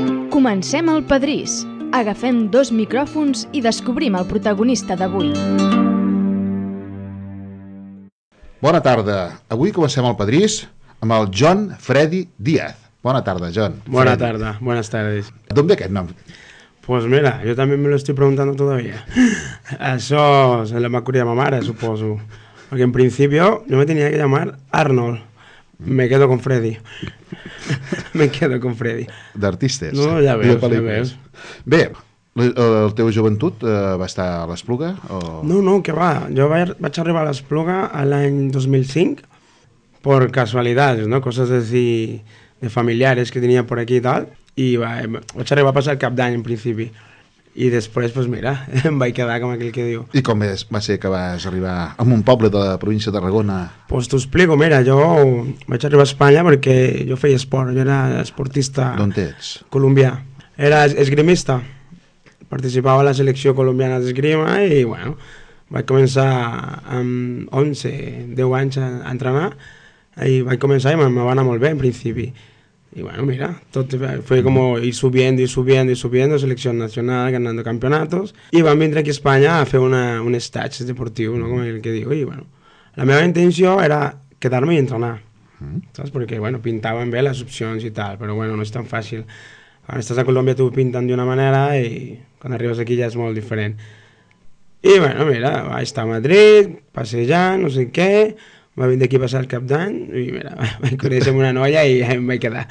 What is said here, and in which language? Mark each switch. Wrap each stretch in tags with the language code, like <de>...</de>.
<ca>Comencem el Pedrís. Agafem dos micròfons i descobrim el protagonista d'avui. Bona tarda. Avui comencem el Pedrís amb el John Freddy Díaz. Bona tarda, John. Bona tarda.</ca> <es>Buenas tardes.</es> <ca>D'on ve aquest nom?</ca> <es>Pues mira, jo també me lo estoy preguntando todavía. Això se lo me acuerdo de</es> <ca>ma mare, suposo.</ca> <es>Porque en principio yo me tenía que llamar Arnold. Me quedo con Freddy. Me quedo con Freddy.</es> <ca>D'artistes. No, ja veus, ja veus. Bé, el teu joventut va estar a l'Espluga? O... No, no, que va. Jo vaig arribar a l'Espluga l'any 2005 per casualitats, no? Coses així de familiares que tenia per aquí i tal. I vaig arribar a passar el cap d'any en principi. I després, pues mira, em vaig quedar com aquell que diu. I com és, va ser que vas arribar a un poble de la província de Tarragona? Pues t'ho explico, mira, jo vaig arribar a Espanya perquè jo feia esport, jo era esportista. D'on ets? Colombià. Era esgrimista. Participava a la selecció colombiana d'esgrima i, bueno, vaig començar amb 11, 10 anys a entrenar i vaig començar i me va anar molt bé en principi. I, bueno, mira, tot</ca> <es>fue como ir subiendo y subiendo</es> <ca>y subiendo, selecció nacional,</ca> <es>ganando campeonatos,</es> <ca>i vam vindre aquí a Espanya a fer un estatge esportiu, no? Com el que diu. I, bueno, la meva intenció era quedar-me i entrenar, saps? Perquè, bueno, pintaven bé les opcions i tal, però, bueno, no és tan fàcil. Quan estàs a Colòmbia t'ho pinten d'una manera i quan arribes aquí ja és molt diferent. I, bueno, mira, vaig estar a Madrid, passejant, no sé què, va vindre aquí a passar el cap d'any i, mira, vaig conèixer amb una noia i ja em vaig quedar.</ca>